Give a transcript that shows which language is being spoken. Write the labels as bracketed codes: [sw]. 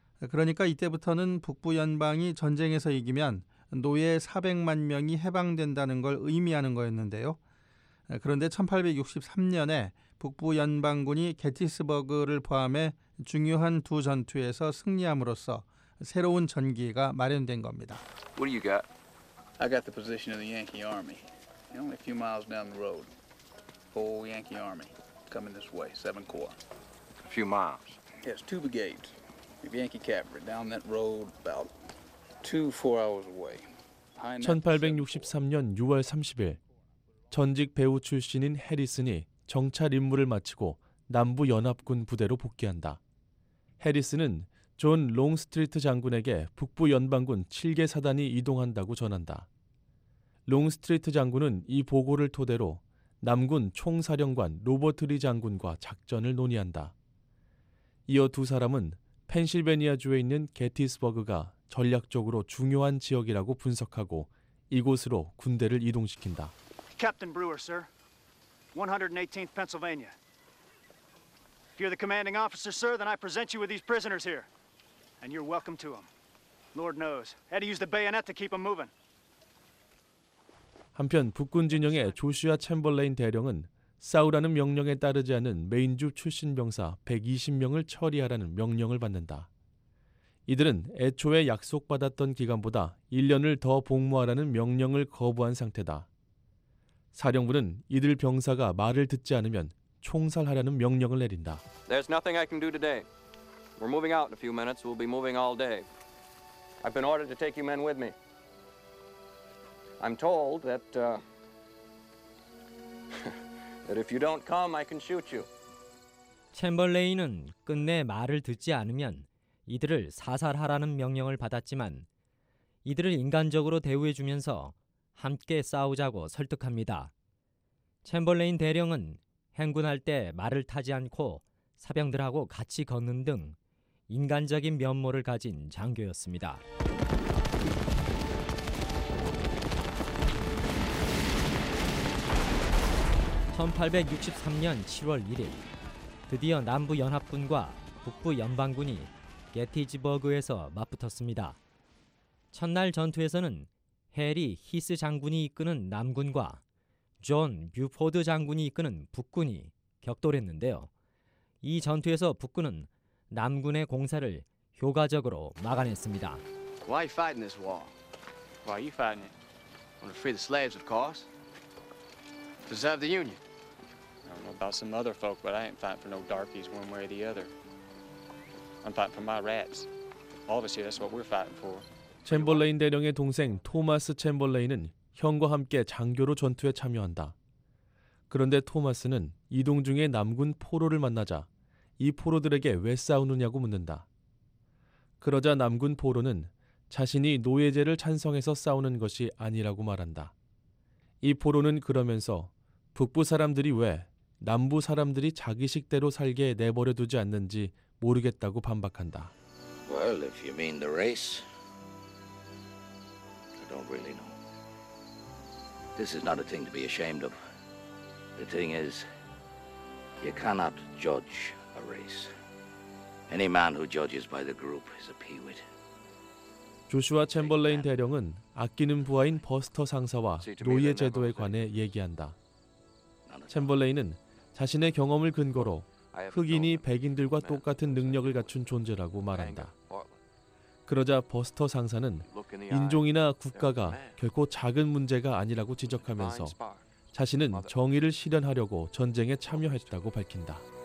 [ko] 그러니까 이때부터는 북부 연방이 전쟁에서 이기면 노예 400만 명이 해방된다는 걸 의미하는 거였는데요. 그런데 1863년에 북부 연방군이 게티스버그를 포함해 중요한 두 전투에서 승리함으로써 새로운 전기가 마련된 겁니다. [en] What do you got? I got the position of the Yankee Army. Only a few miles down the road. Whole Yankee Army coming this way, 7 corps. A few miles. Yes, two brigades of Yankee cavalry down that road about 2-4 hours away. [ko] 1863년 6월 30일 전직 배우 출신인 해리슨이 정찰 임무를 마치고 남부 연합군 부대로 복귀한다. 해리슨은 존 롱스트리트 장군에게 북부 연방군 7개 사단이 이동한다고 전한다. 롱스트리트 장군은 이 보고를 토대로 남군 총사령관 로버트 리 장군과 작전을 논의한다. 이어 두 사람은 펜실베니아주에 있는 게티스버그가 전략적으로 중요한 지역이라고 분석하고 이곳으로 군대를 이동시킨다. [en] Captain Brewer, sir. 118th Pennsylvania. If you're the commanding officer, sir, then I present you with these prisoners here. And you're welcome to them. Lord knows. Had to use the bayonet to keep them moving. [ko] 한편 북군 진영의 조슈아 챔벌레인 대령은 싸우라는 명령에 따르지 않은 메인주 출신 병사 120명을 처리하라는 명령을 받는다. 이들은 애초에 약속받았던 기간보다 1년을 더 복무하라는 명령을 거부한 상태다. 사령부는 이들 병사가 말을 듣지 않으면 총살하라는 명령을 내린다. [en] There's nothing I can do today. We're moving out in a few minutes. We'll be moving all day. I've been ordered to take you men with me. I'm told that that if you don't come, I can shoot you. [ko] 챔벌레인은 끝내 말을 듣지 않으면 이들을 사살하라는 명령을 받았지만 이들을 인간적으로 대우해 주면서 함께 싸우자고 설득합니다. 챔벌레인 대령은 행군할 때 말을 타지 않고 사병들하고 같이 걷는 등 인간적인 면모를 가진 장교였습니다. 1863년 7월 1일, 드디어 남부 연합군과 북부 연방군이 게티즈버그에서 맞붙었습니다. 첫날 전투에서는 해리 히스 장군이 이끄는 남군과 존 뷰포드 장군이 이끄는 북군이 격돌했는데요. 이 전투에서 북군은 남군의 공사를 효과적으로 막아냈습니다. [en] Why are you fighting this war? Why are you fighting it? I want to free the slaves, of course. Preserve the Union. I don't know about some other folk, but I ain't fighting for no darkies one way or the other. I'm fighting for my rats. All of us here, that's what we're fighting for. [ko] 챔버레인 대령의 동생 토마스 챔버레인은 형과 함께 장교로 전투에 참여한다. 그런데 토마스는 이동 중에 남군 포로를 만나자 이 포로들에게 왜 싸우느냐고 묻는다. 그러자 남군 포로는 자신이 노예제를 찬성해서 싸우는 것이 아니라고 말한다. 이 포로는 그러면서 북부 사람들이 왜 남부 사람들이 자기 식대로 살게 내버려 두지 않는지 모르겠다고 반박한다. [en] Well, if you mean the race, I don't really know. This is not a thing to be ashamed of. The thing is, you cannot judge a race. Any man who judges by the group is a peewit. [ko] 조슈아 챔버레인 대령은 아끼는 부하인 버스터 상사와 노예 제도에 관해 얘기한다. 챔버레인은 자신의 경험을 근거로 흑인이 백인들과 똑같은 능력을 갖춘 존재라고 말한다. 그러자 버스터 상사는 인종이나 국가가 결코 작은 문제가 아니라고 지적하면서 자신은 정의를 실현하려고 전쟁에 참여했다고 밝힌다.